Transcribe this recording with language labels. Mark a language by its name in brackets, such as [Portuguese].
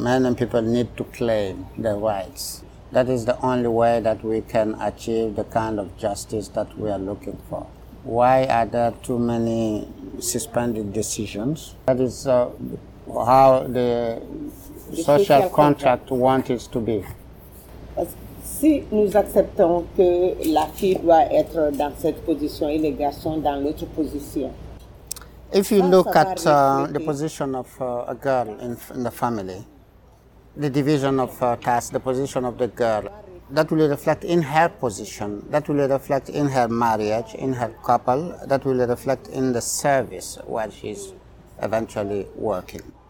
[English] Malian people need to claim their rights. That is the only way that we can achieve the kind of justice that we are looking for. Why are there too many suspended decisions? That is how the social contract wants it to be. [French] Si nous acceptons que la fille doit être dans cette position et les garçons dans l'autre position. [English] If you look at the position of a girl in the family, the division of tasks, the position of the girl, that will reflect in her position, that will reflect in her marriage, in her couple, that will reflect in the service where she's eventually working.